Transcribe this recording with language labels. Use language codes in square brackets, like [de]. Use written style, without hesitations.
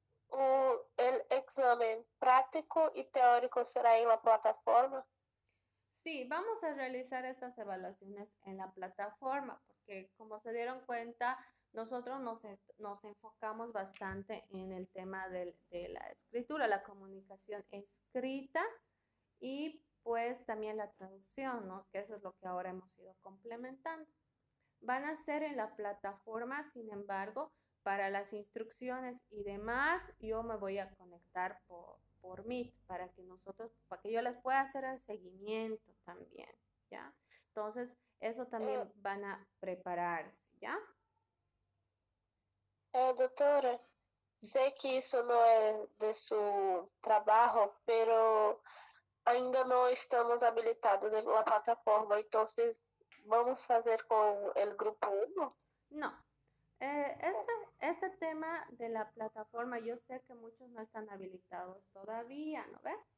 [pt] O exame prático e teórico será em uma plataforma? [es] Sí, vamos a realizar estas evaluaciones en la plataforma, porque como se dieron cuenta, nosotros nos enfocamos bastante en el tema de la escritura, la comunicación escrita y pues también la traducción, ¿no? Que eso es lo que ahora hemos ido complementando. Van a ser en la plataforma, sin embargo, para las instrucciones y demás, yo me voy a conectar por Meet para que yo les pueda hacer el seguimiento también, ¿ya? Entonces, eso también van a prepararse, ¿ya? [pt] Doctora, sé que isso não é de seu trabalho, pero ainda não estamos habilitados na plataforma, então vamos fazer com o grupo 1? [es] No. Este tema de la plataforma, yo sé que muchos no están habilitados todavía, ¿no ve?